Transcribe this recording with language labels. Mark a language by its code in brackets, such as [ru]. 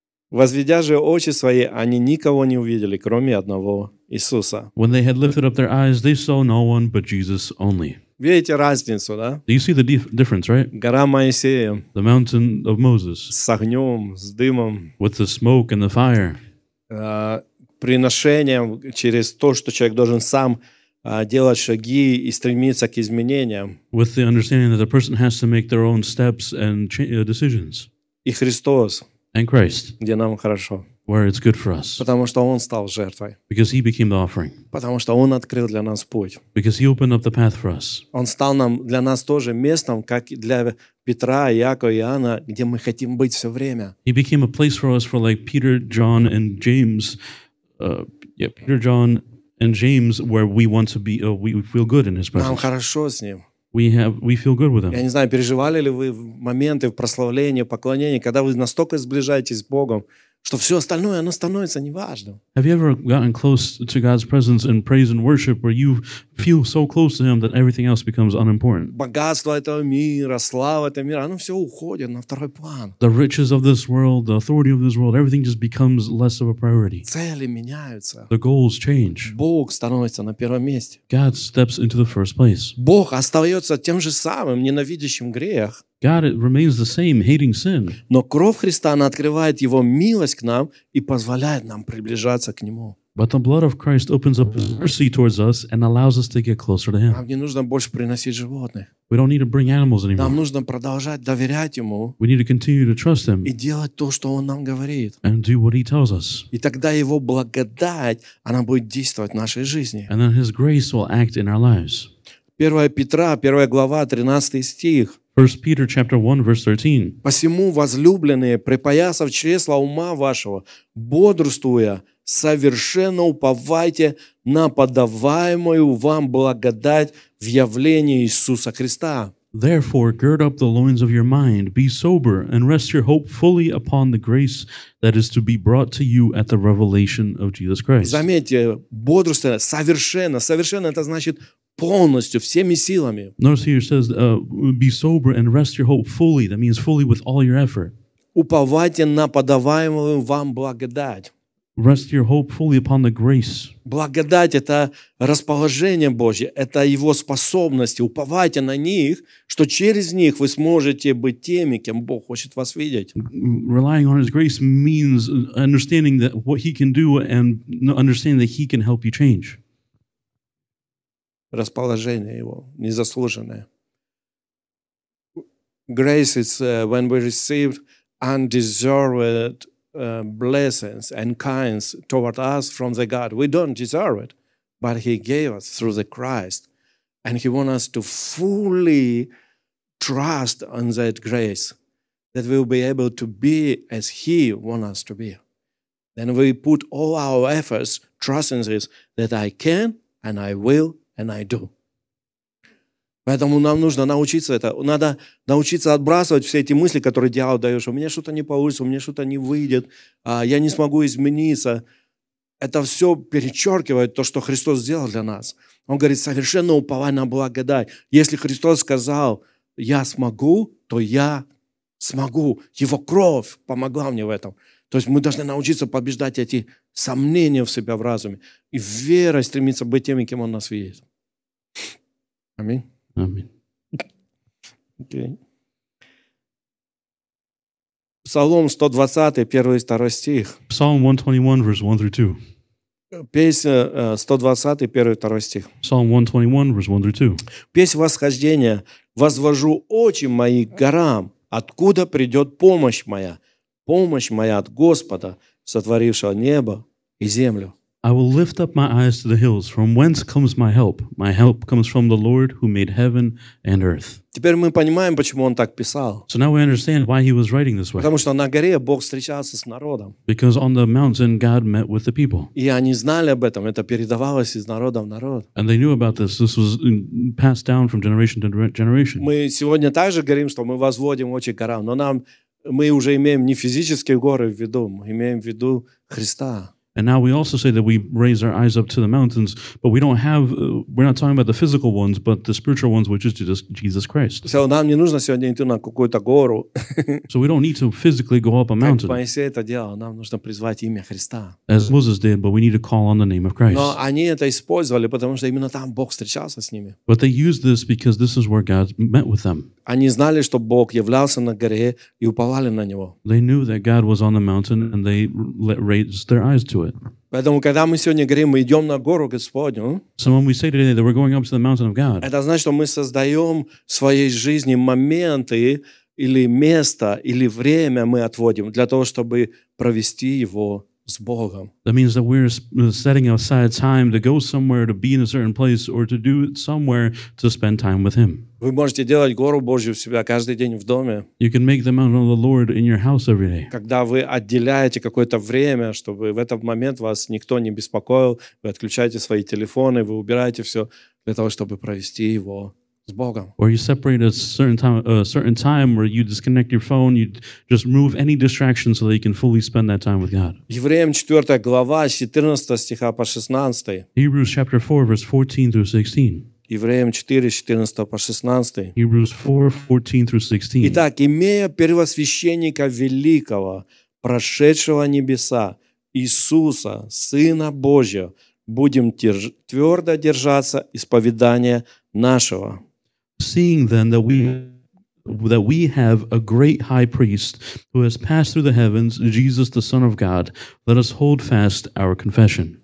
[ru] Возведя же очи свои, они никого не увидели, кроме одного Иисуса. [en] When they had lifted up their eyes, they saw no one but Jesus only. [ru] Видите разницу, да? [en] Do you see the difference, right? [ru] Гора Моисея. [en] The mountain of Moses. [ru] С огнем, с дымом. [en] With the smoke and the fire. [ru] Приношением через то, что человек должен сам делать шаги и стремиться к изменениям. [en] With the understanding that a person has to make their own steps and decisions. [ru] И Христос. [en] And Christ. [ru] Где нам хорошо. [en] Where it's good for us. [ru] Потому что Он стал жертвой. [en] Because He became the offering. [ru] Потому что Он открыл для нас путь. [en] Because He opened up the path for us. [ru] Он стал нам, для нас тоже местом, как для Петра, Иакова, Иоанна, где мы хотим быть все время. [en] He became a place for us, for like Peter, John, and James. Peter, John, and James, where we want to be, we feel good in His presence. [ru] Нам хорошо с Ним. [en] We feel good with Him. [ru] Я не знаю, переживали ли вы моменты в прославлении, поклонении, когда вы настолько сближаетесь с Богом, что все остальное, оно становится неважным. [en] Have you ever gotten close to God's presence in praise and worship where you feel so close to Him that everything else becomes unimportant? [ru] Богатство этого мира, слава этого мира, оно все уходит на второй план. [en] The riches of this world, the authority of this world, everything just becomes less of a priority. [ru] Цели меняются. [en] The goals change. [ru] Бог становится на первом месте. [en] God steps into the first place. [ru] Бог остается тем же самым, ненавидящим грех. [en] God, it remains the same, hating sin. [ru] Но кровь Христа, она открывает Его милость к нам и позволяет нам приближаться к Нему. [en] But the blood of Christ opens up His mercy towards us and allows us to get closer to Him. [ru] Нам не нужно больше приносить животных. [en] We don't need to bring animals anymore. [ru] Нам нужно продолжать доверять Ему. [en] We need to continue to trust Him. [ru] И делать то, что Он нам говорит. [en] And do what He tells us. [ru] И тогда Его благодать, она будет действовать в нашей жизни. [en] And then His grace will act in our lives. [ru] 1 Петра, 1 глава, 13 стих. [en] 1 Peter chapter 1, verse 13. [ru] «Посему, возлюбленные, припоясав чресла ума вашего, бодрствуя, совершенно уповайте на подаваемую вам благодать в явлении Иисуса Христа». [en] Therefore, gird up the loins of your mind, be sober, and rest your hope fully upon the grace that is to be brought to you at the revelation of Jesus Christ. [ru] Заметьте, бодрствуя, совершенно, совершенно это значит полностью, всеми силами. [en] Notice here says, be sober and rest your hope fully. That means fully with all your effort. [ru] Уповайте на подаваемую вам благодать. [en] Rest your hope fully upon the grace. [ru] Благодать — это расположение Божье, это Его способности. Уповайте на них, что через них вы сможете быть теми, кем Бог хочет вас видеть. [en] Relying on His grace means understanding that what He can do and understanding that He can help you change. [ru] Расположение Его, незаслуженное. [en] Grace is when we receive undeserved blessings and kinds toward us from the God. We don't deserve it, but He gave us through the Christ, and He wants us to fully trust on that grace, that we will be able to be as He wants us to be. Then we put all our efforts, trust in this, that I can and I will and I do. [ru] Поэтому нам нужно научиться это. Надо научиться отбрасывать все эти мысли, которые дьявол даёт. У меня что-то не получится, у меня что-то не выйдет, я не смогу измениться. Это все перечеркивает то, что Христос сделал для нас. Он говорит, совершенно уповай на благодать. Если Христос сказал, я смогу, то я смогу. Его кровь помогла мне в этом. То есть мы должны научиться побеждать эти сомнения в себя, в разуме. И верой стремиться быть теми, кем Он нас видит. Аминь. Аминь. Псалом 120, 1 и 2 стих. [en] Psalm 121, verse 1 through 2. [ru] Песня 120, 1 и 2 стих. [en] Psalm 121, verse 1 through 2. [ru] Песнь восхождения. «Возвожу очи мои к горам, откуда придет помощь моя? Помощь моя от Господа, сотворившего небо и землю». [en] I will lift up my eyes to the hills. From whence comes my help? My help comes from the Lord who made heaven and earth. [ru] Теперь мы понимаем, почему он так писал. [en] So now we understand why he was writing this way. [ru] Потому что на горе Бог встречался с народом. [en] Because on the mountain God met with the people. [ru] И они знали об этом. Это передавалось из народа в народ. [en] And they knew about this. This was passed down from generation to generation. [ru] Мы сегодня также говорим, что мы возводим очи к горам, но нам мы уже имеем не физические горы в виду, мы имеем в виду Христа. [en] And now we also say that we raise our eyes up to the mountains, but we don't have, we're not talking about the physical ones, but the spiritual ones, which is Jesus Christ. [ru] Все, нам не нужно сегодня идти на какую-то гору. [en] So we don't need to physically go up a mountain. [ru] Как Моисей это делал, нам нужно призвать имя Христа. [en] As Moses did, but we need to call on the name of Christ. [ru] Но они это использовали, потому что именно там Бог встречался с ними. [en] But they used this because this is where God met with them. [ru] Они знали, что Бог являлся на горе и уповали на Него. [en] They knew that God was on the mountain and they raised their eyes to it. [ru] Поэтому, когда мы сегодня говорим, мы идем на гору Господню, [en] so when we say today that we're going up to the mountain of God, [ru] это значит, что мы создаем в своей жизни моменты или место, или время мы отводим для того, чтобы провести его с Богом. [en] That means that we're setting aside time to go somewhere, to be in a certain place, or to do it somewhere to spend time with Him. [ru] Вы можете делать гору Божью в себя каждый день в доме. [en] You can make the mountain of the Lord in your house every day. [ru] Когда вы отделяете какое-то время, чтобы в этот момент вас никто не беспокоил, вы отключаете свои телефоны, вы убираете все для того, чтобы провести его с Богом. [en] Or you separate a certain time where you disconnect your phone, you just remove any distractions so that you can fully spend that time with God. [ru] Евреям 4 глава, 14 стиха по 16. [en] Hebrews chapter 4, verse 14 through 16. [ru] Евреям 4, 14 по 16. [en] Hebrews 4, 14 through 16. [ru] Итак, имея первосвященника великого, прошедшего небеса, Иисуса, Сына Божия, будем твердо держаться исповедания нашего. [en] Seeing then that we have a great high priest who has passed through the heavens, Jesus, the Son of God, let us hold fast our confession.